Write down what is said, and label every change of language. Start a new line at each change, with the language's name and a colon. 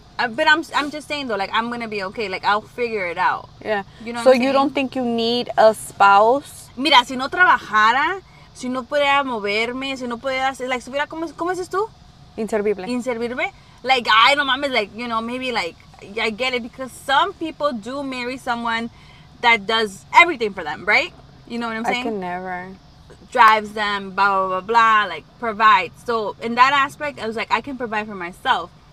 English: But I'm just saying, though, like, I'm going to be okay. Like, I'll figure it out. Yeah. You know So you don't think you need a spouse?
Spanish: Mira, si no trabajara, si no pudiera moverme, si no pudiera hacer, like, estuviera, ¿cómo dices tú? Inservible. Inservible.
English: Like,
Spanish: ay, no mames,
English: like, you know, maybe, like, I get it. Because some people do marry someone that does everything for them, right? You know what I'm saying? I can never. Drives them, blah, blah, blah, blah, like, provides. So in that aspect, I was like, I can provide for myself.